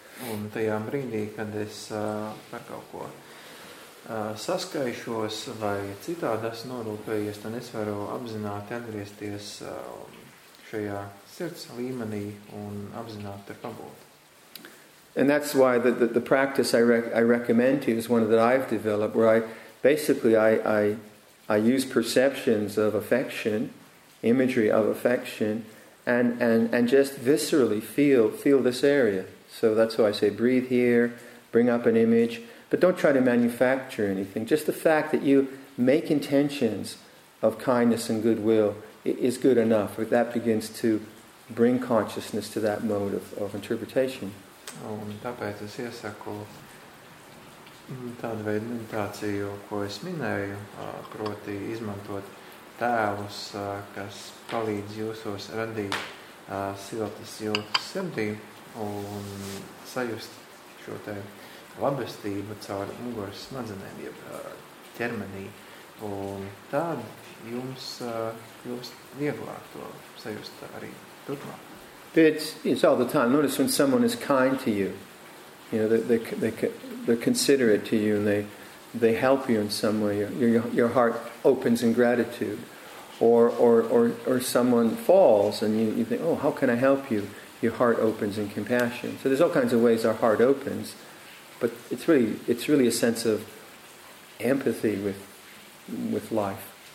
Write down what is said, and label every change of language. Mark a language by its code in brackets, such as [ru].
[lv] Un tajā brīdī, kad es par kaut ko saskaišos vai citādi esmu norūpējies, tad es varu apzināti atgriezties šajā sirds līmenī un apzināti tur pabūt. [en] And that's why the practice I recommend to you is one that I've developed, where I basically use perceptions of affection, imagery of affection, and just viscerally feel this area. So that's why I say breathe here, bring up an image, but don't try to manufacture anything. Just the fact that you make intentions of kindness and goodwill is good enough. But that begins to bring consciousness to that mode of interpretation. [lv] Un tāpēc es iesaku tādu veidu meditāciju, ko es minēju, proti izmantot tēlus, kas palīdz jūsos radīt siltas jūtas sirdī un sajust šo te labestību caur muguras smadzenēm, jeb ķermenī. Un tad jums kļūst vieglāk to sajust arī turpmāk. [en] But it's all the time. Notice when someone is kind to you, you know, they're considerate to you, and they help you in some way. Your heart opens in gratitude, or someone falls, and you think, oh, how can I help you? Your heart opens in compassion. So there's all kinds of ways our heart opens, but it's really a sense of empathy with life.